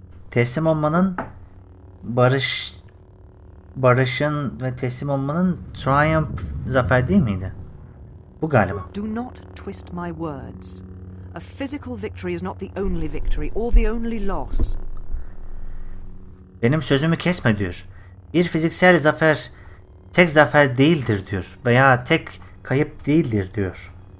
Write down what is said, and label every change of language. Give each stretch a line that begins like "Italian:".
Turkish: Teslim olmanın, barışın ve teslim olmanın triumph, zafer değil miydi? Bu galiba.
English: Do not twist my words. A physical victory is not the only victory or the only loss.
Turkish: Benim sözümü kesme diyor. Bir fiziksel zafer tek zafer değildir diyor. Veya tek kayıp değildir diyor.